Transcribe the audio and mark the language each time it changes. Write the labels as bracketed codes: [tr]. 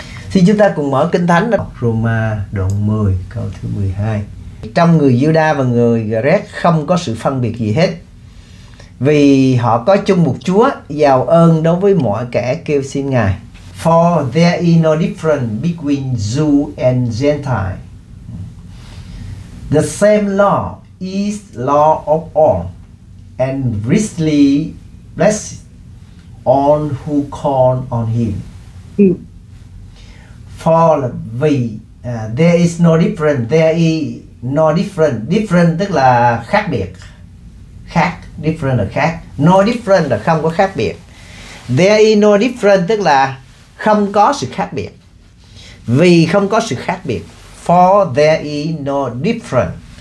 [vi] Xin chúng ta cùng mở kinh thánh đó. Roma đoạn 10 câu thứ 12. Trong người Giuđa và người Grec không có sự phân biệt gì hết, vì họ có chung một Chúa, giàu ơn đối với mọi kẻ kêu xin Ngài. [en] For there is no difference between Jew and Gentile. The same law is law of all, and richly blessed on who call on him. For [vi] vì [en] there is no difference, there is no different. [vi] Different tức là khác biệt. Khác, different là khác. [en] No different [vi] là không có khác biệt. [en] There is no difference [vi] tức là không có sự khác biệt. Vì không có sự khác biệt. [en] For there is no difference.